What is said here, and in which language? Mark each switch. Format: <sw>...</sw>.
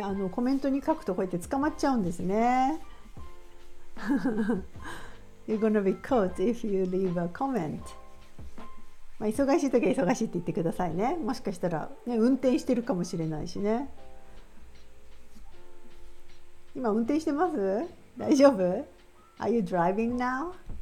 <ja>コメントに書くとこうやって捕まっちゃうんですね。</ja> <en>You're gonna be caught if you leave a comment.</en> <ja>まあ忙しいときは忙しいって言ってくださいね。もしかしたら、ね、運転してるかもしれないしね。今運転してます?大丈夫?</ja> <en>Are you driving now?</en>